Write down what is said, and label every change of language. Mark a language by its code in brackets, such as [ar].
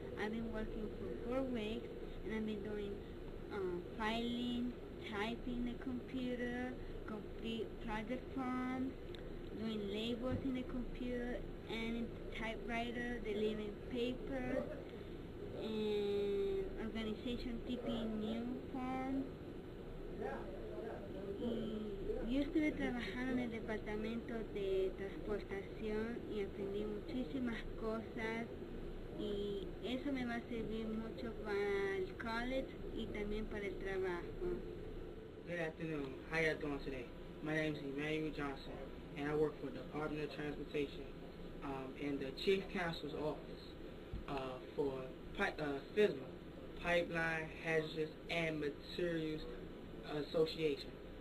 [en] I've been working for 4 weeks, and I've been doing filing, typing the computer, complete project forms, doing labels in the computer, and in the typewriter, delivering papers, and organization keeping new forms. [es] Yo estuve trabajando en el departamento de transportación y aprendí muchísimas cosas y eso me va a servir mucho para el college y también para el trabajo. [en] Good afternoon. How y'all doing today? My name is Emmanuel Johnson and I work for the Department of Transportation in the Chief Counsel's Office for FISMA, Pipeline Hazardous and Materials Association.